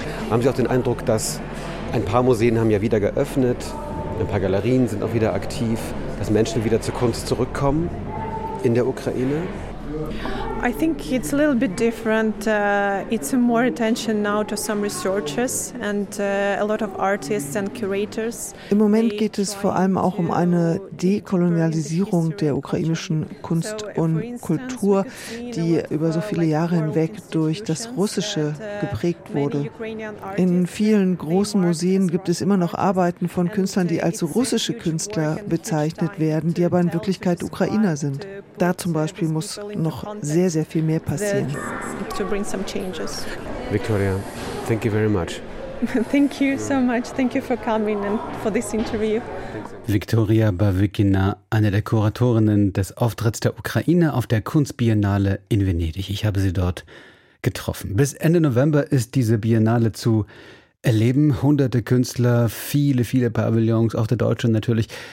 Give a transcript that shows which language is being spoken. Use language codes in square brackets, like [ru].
[de] Haben Sie auch den Eindruck, dass ein paar Museen haben ja wieder geöffnet, ein paar Galerien sind auch wieder aktiv, dass Menschen wieder zur Kunst zurückkommen in der Ukraine? [en] I think it's a little bit different. It's a more attention now to some researchers and a lot of artists and curators. [de] Im Moment geht es vor allem auch um eine Dekolonialisierung der ukrainischen Kunst und Kultur, die über so viele Jahre hinweg durch das Russische geprägt wurde. In vielen großen Museen gibt es immer noch Arbeiten von Künstlern, die als russische Künstler bezeichnet werden, die aber in Wirklichkeit Ukrainer sind. Da zum Beispiel muss noch sehr viel mehr passieren. [en] To bring some changes. Victoria, thank you very much. Thank you so much. Thank you for coming and for this interview. [de] Victoria Bavikina, eine der Kuratorinnen des Auftritts der Ukraine auf der Kunstbiennale in Venedig. Ich habe sie dort getroffen. Bis Ende November ist diese Biennale zu erleben. Hunderte Künstler, viele, viele Pavillons, auch der Deutsche natürlich.